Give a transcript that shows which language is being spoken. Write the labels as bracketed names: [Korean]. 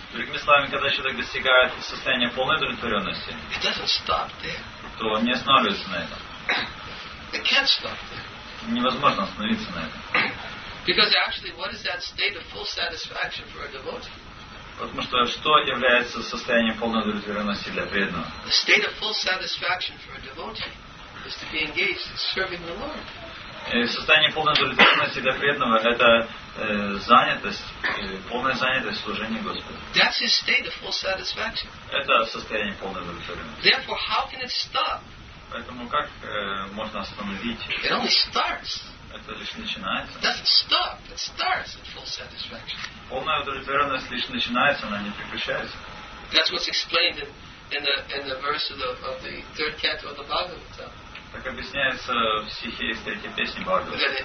[Russian] Другими словами, когда человек достигает состояния полной удовлетворенности, то он не останавливается на этом. Невозможно остановиться на этом. [English] Because actually, what is that state of full satisfaction for a devotee? [Russian] Потому что что является состоянием полной удовлетворенности для преданного? [English] The state of full satisfaction for a devotee is to be engaged in serving the Lord. [Russian] И состояние полной удовлетворенности для преданного это занятость, полная занятость в служении Господу. [English] That's his state of full satisfaction. [Russian] Это состояние полной удовлетворенности. [English] Therefore, how can it stop? [Russian] Поэтому как можно остановить? [English] It only starts. [Russian] Это лишь начинается. [English] It doesn't stop. It starts at full satisfaction. [Russian] Полная удовлетворенность лишь начинается, она не прекращается. [English] That's what's explained in the verse of the third canto of the Bhagavata. [Russian] Так объясняется в стихе из третьей песни Бхагавата.